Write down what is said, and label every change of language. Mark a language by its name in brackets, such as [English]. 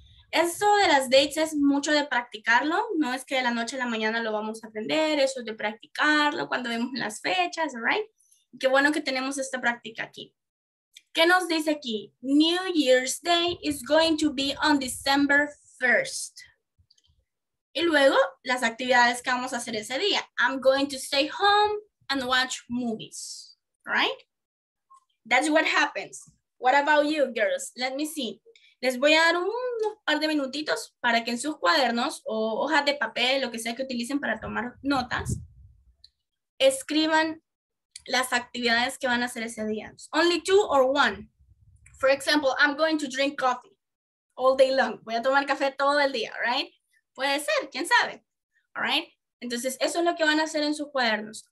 [Spanish] Eso de las dates es mucho de practicarlo, no es que de la noche a la mañana lo vamos a aprender, eso es de practicarlo cuando vemos las fechas, right? Qué bueno que tenemos esta práctica aquí. ¿Qué nos dice aquí? [English] New Year's Day is going to be on December 1st. [Spanish] Y luego, las actividades que vamos a hacer ese día. [English] I'm going to stay home and watch movies, right? That's what happens. What about you, girls? Let me see. [Spanish] Les voy a dar unos par de minutitos para que en sus cuadernos o hojas de papel, lo que sea que utilicen para tomar notas, escriban las actividades que van a hacer ese día. [English] Only two or one. For example, I'm going to drink coffee all day long. [Spanish] Voy a tomar café todo el día, right? Puede ser, quién sabe. All right? Entonces, eso es lo que van a hacer en sus cuadernos.